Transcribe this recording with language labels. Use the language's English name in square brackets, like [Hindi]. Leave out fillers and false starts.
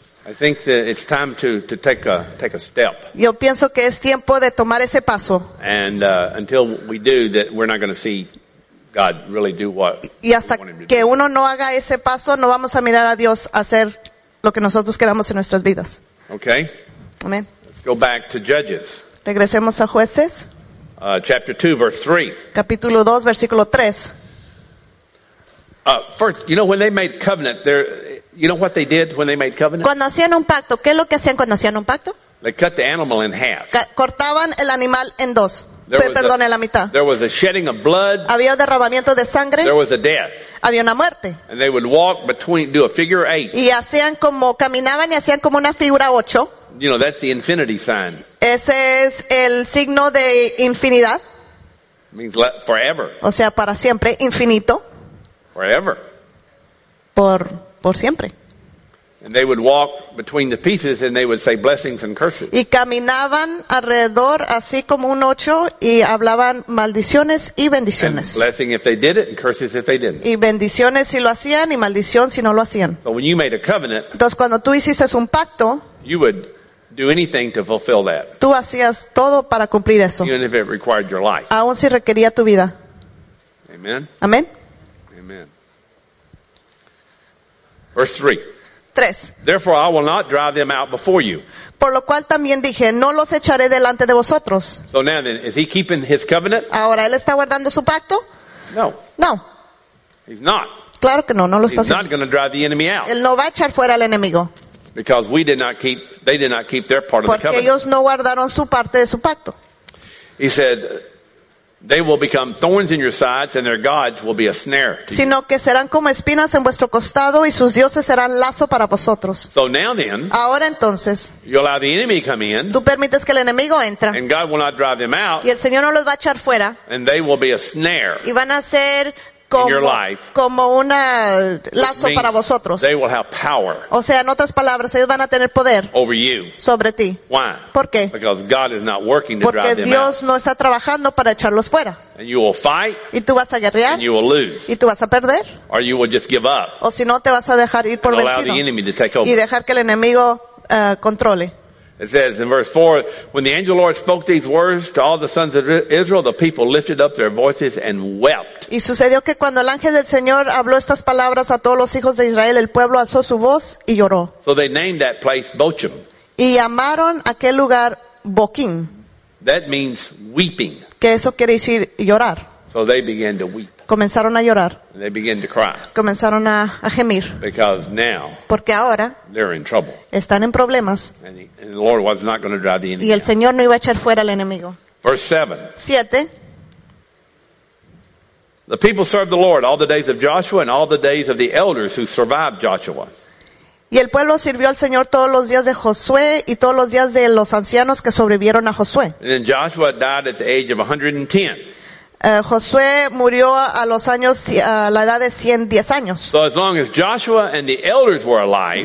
[English] I think that it's time to take a step. [Spanish] Yo pienso que es tiempo de tomar ese paso. [English] And until we do that, we're not going to see God really do what we want him to [Spanish] Y hasta que uno no haga ese paso, no vamos a mirar a Dios hacer lo que nosotros queramos en nuestras vidas. [English] Okay. [Spanish] Amen. [English] Go back to Judges. [Spanish] Regresemos a Jueces. [English] Chapter 2, verse 3. [Spanish] Capítulo 2, versículo 3. [English] First, you know, when they made covenant, you know what they did when they made covenant? [Spanish] Cuando hacían un pacto, ¿qué es lo que hacían cuando hacían un pacto? [English] They cut the animal in half. [Spanish] Cortaban el animal en dos. Perdón, en la mitad. [English] There was a shedding of blood. [Spanish] Había derramamiento de sangre. [English] There was a death. [Spanish] Había una muerte. [English] And they would walk between, do a figure eight. [Spanish] Y hacían como, caminaban y hacían como una figura ocho. [English] You know, that's the infinity sign. [Spanish] Ese es el signo de infinidad. [English] It means forever. [Spanish] O sea, para siempre, infinito. [English] Forever. [Spanish] Por siempre. [English] And they would walk between the pieces and they would say blessings and curses. [Spanish] Y caminaban alrededor así como un ocho y hablaban maldiciones y bendiciones. [English] And blessing if they did it and curses if they didn't. [Spanish] Y bendiciones si lo hacían y maldición si no lo hacían. [English] So when you made a covenant, [Spanish] entonces cuando tú hiciste un pacto, [English] you would do anything to fulfill that. [Spanish] Tú hacías todo para cumplir eso. [English] Even if it required your life. [Spanish] Aun si requería tu vida. [English] Amen. [Spanish] Amen. [English] Amen. Verse 3. [Spanish] Tres. [English] Therefore, I will not drive them out before you. [Spanish] Por lo cual también dije, no los echaré delante de vosotros. [English] So now then, is he keeping his covenant? [Spanish] Ahora, ¿él está guardando su pacto? [English] No. [Spanish] No. [English] He's not. [Spanish] Claro que no, no lo está haciendo. [English] He's not going to drive the enemy out. [Spanish] Él no va a echar fuera al enemigo. [English] Because we did not keep, they did not keep their part [Spanish] porque [English] of the covenant. [Spanish] Porque ellos no guardaron su parte de su pacto. [English] He said, they will become thorns in your sides and their gods will be a snare to you. [Spanish] Sino que serán como espinas en vuestro costado y sus dioses serán lazo para vosotros. [English] So now then, [Spanish] ahora entonces, [English] you allow the enemy to come in, [Spanish] tú permites que el enemigo entra, [English] and God will not drive them out, [Spanish] y el Señor no los va a echar fuera, [English] and they will be a snare, [Spanish] y van a ser como, [English] in your life, [Spanish] como una lazo para vosotros. [English] They will have power, [Spanish] o sea, en otras palabras, ellos van a tener poder [English] over you, [Spanish] sobre ti. [English] Why? [Spanish] ¿Por qué? [English] Because God is not working to [Spanish] porque [English] drive [Spanish] Dios [English] them out. [Spanish] No está trabajando para echarlos fuera. [English] And you will fight, [Spanish] y tú vas a guerrear, [English] and you will lose, [Spanish] y tú vas a perder, [English] or you will just give up, [Spanish] o si no, te vas a dejar ir por vencido, [English] allow the enemy to take over, [Spanish] y dejar que el enemigo controle. [English] It says in verse 4, when the angel Lord spoke these words to all the sons of Israel, the people lifted up their voices and wept. [Spanish] Y sucedió que cuando el ángel del Señor habló estas palabras a todos los hijos de Israel, el pueblo alzó su voz y lloró. [English] So they named that place Bochim. [Spanish] Y llamaron aquel lugar Bochim. [English] That means weeping. [Spanish] Que eso quiere decir llorar. [English] So they began to weep. [Spanish] Comenzaron a llorar. [English] And they began to cry. [Spanish] Comenzaron a gemir. [English] Because now, [Spanish] porque ahora, [English] they're in trouble. [Spanish] Están en problemas. [English] And the Lord was not going to drive the enemy. [Spanish] Y el Señor no iba a echar fuera al enemigo. [English] Verse 7. [Spanish] 7. [English] The people served the Lord all the days of Joshua and all the days of the elders who survived Joshua. [Spanish] Y el pueblo sirvió al Señor todos los días de Josué y todos los días de los ancianos que sobrevivieron a Josué. [English] And then Joshua died at the age of 110. [Spanish] Josué murió a los años a la edad de 110 años. [English] So as long as Joshua and the elders were alive,